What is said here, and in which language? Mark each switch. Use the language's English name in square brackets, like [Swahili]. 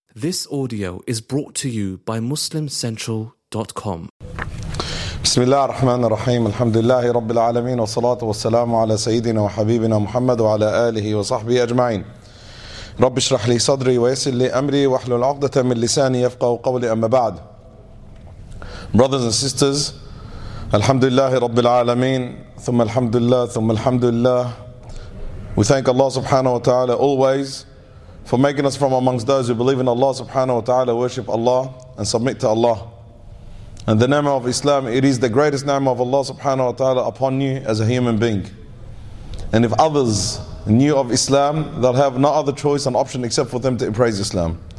[English] This audio is brought to you by MuslimCentral.com. [Arabic] بسم الله الرحمن الرحيم الحمد لله رب العالمين والصلاة والسلام على سيدنا وحبيبنا محمد وعلى آله وصحبه أجمعين رب اشرح لي صدري ويسر لي أمري واحلل عقدة من لساني يفقهوا قولي أما بعد. [English] Brothers and sisters, [Arabic] الحمد لله رب العالمين ثم الحمد لله ثم الحمد لله. [English] We thank Allah subhanahu wa ta'ala always for making us from amongst those who believe in Allah subhanahu wa ta'ala, worship Allah and submit to Allah. And the ni'mah of Islam, it is the greatest ni'mah of Allah subhanahu wa ta'ala upon you as a human being. And if others knew of Islam, they'll have no other choice and option except for them to embrace Islam.